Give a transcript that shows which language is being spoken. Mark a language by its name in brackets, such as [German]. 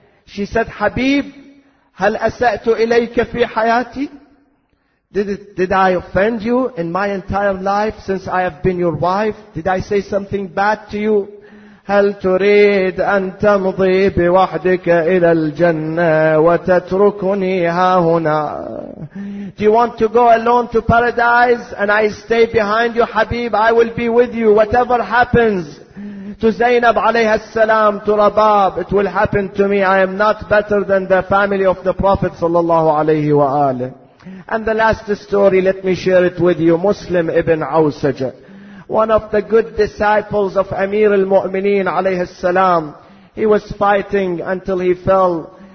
[English] She said, [Arabic] حبيب هل أسأت إليك في حياتي? [English] Did I offend you in my entire life since I have been your wife? Did I say something bad to you? [Arabic] هل تريد أن تمضي بوحدك إلى الجنة وتتركني ها هنا? [English] Do you want to go alone to paradise and I stay behind you, Habib? I will be with you. Whatever happens to Zainab alayhi salam, to Rabab, it will happen to me. I am not better than the family of the Prophet sallallahu alayhi wa alayhi. And the last story, let me share it with you. Muslim ibn Awsajah, one of the good disciples of Amir al-Mu'mineen alayhi salam, he was fighting until he fell.